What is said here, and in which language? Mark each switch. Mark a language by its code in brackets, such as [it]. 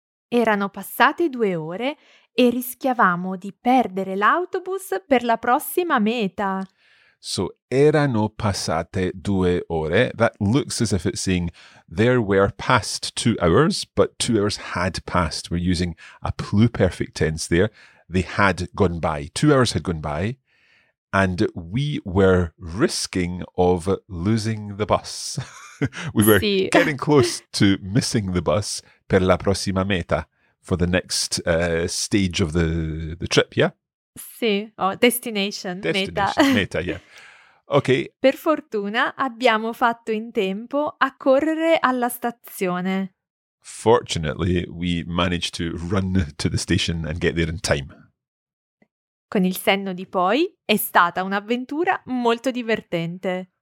[it] Erano passate 2 ore e rischiavamo di perdere l'autobus per la prossima meta. [en] So [it] erano passate 2 ore. [en] That looks as if it's saying there were past 2 hours, but 2 hours had passed. We're using a pluperfect tense there. They had gone by. 2 hours had gone by. And we were risking of losing the bus. We were getting close to missing the bus [it] per la prossima meta, [en] for the next stage of the trip, yeah? Sì, destination, meta, yeah. Okay. [it] Per fortuna abbiamo fatto in tempo a correre alla stazione. [en] Fortunately, we managed to run to the station and get there in time. [it] Con il senno di poi, è stata un'avventura molto divertente.